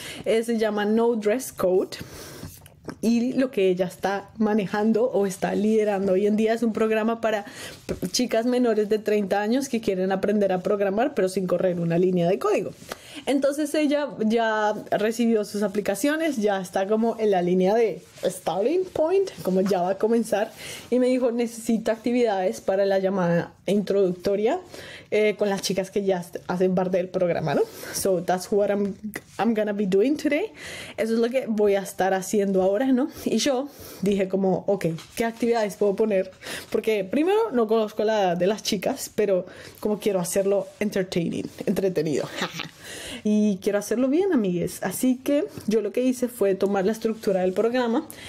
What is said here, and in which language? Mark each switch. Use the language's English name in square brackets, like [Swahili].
[Spanish] Se llama No Dress Code. Y lo que ella está manejando o está liderando hoy en día es un programa para chicas menores de 30 años que quieren aprender a programar, pero sin correr una línea de código. Entonces ella ya recibió sus aplicaciones, ya está como en la línea de starting point, como ya va a comenzar, y me dijo, necesito actividades para la llamada introductoria con las chicas que ya hacen parte del programa, ¿no? [English] So that's what I'm gonna be doing today. [Spanish] Eso es lo que voy a estar haciendo ahora, ¿no? Y yo dije como, ok, ¿qué actividades puedo poner? Porque primero no conozco la edad de las chicas, pero como quiero hacerlo entertaining, entretenido. Y quiero hacerlo bien, amigues. Así que yo lo que hice fue tomar la estructura del programa.